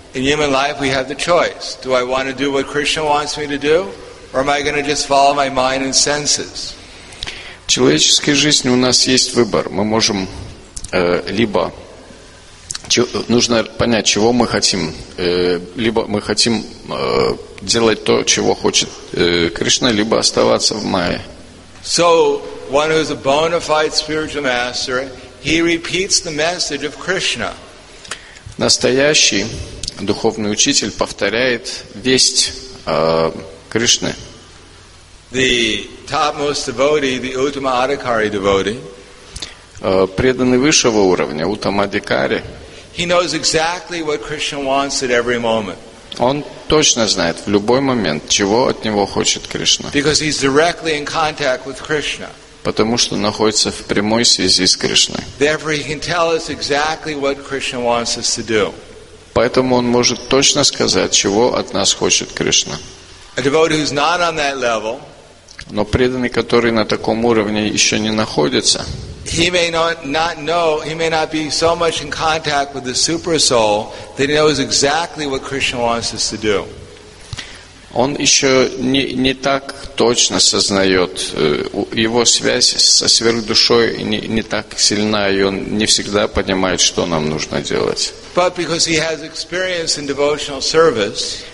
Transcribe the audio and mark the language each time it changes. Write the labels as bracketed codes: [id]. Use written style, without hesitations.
[en] In human life we have the choice. Do I want to do what Krishna wants me to do, or am I going to just follow my mind and senses? [ru] В человеческой жизни у нас есть выбор. Мы можем либо... Нужно понять, чего мы хотим. Либо мы хотим делать то, чего хочет Кришна, либо оставаться в Майе. [en] So, one who is a bona fide spiritual master, he repeats the message of Krishna. [ru] Настоящий духовный учитель повторяет весть Кришны. [en] The topmost devotee, the Uttama Adhikari devotee, [ru] преданный высшего уровня, Uttama Adhikari, [en] he knows exactly what Krishna wants at every moment. [ru] Он точно знает в любой момент, чего от него хочет Кришна. [en] Because he's directly in contact with Krishna. [ru] Потому что находится в прямой связи с Кришной. [en] Therefore, he can tell us exactly what Krishna wants us to do. [ru] Поэтому он может точно сказать, чего от нас хочет Кришна. [en] A devotee who's not on that level, [ru] но преданный, который на таком уровне еще не находится, [en] he may not know, he may not be so much in contact with the super soul that he knows exactly what Krishna wants us to do. [ru] Он еще не так точно сознает, его связь со сверхдушой не так сильна, и он не всегда понимает, что нам нужно делать. [en] But because he has experience in devotional service,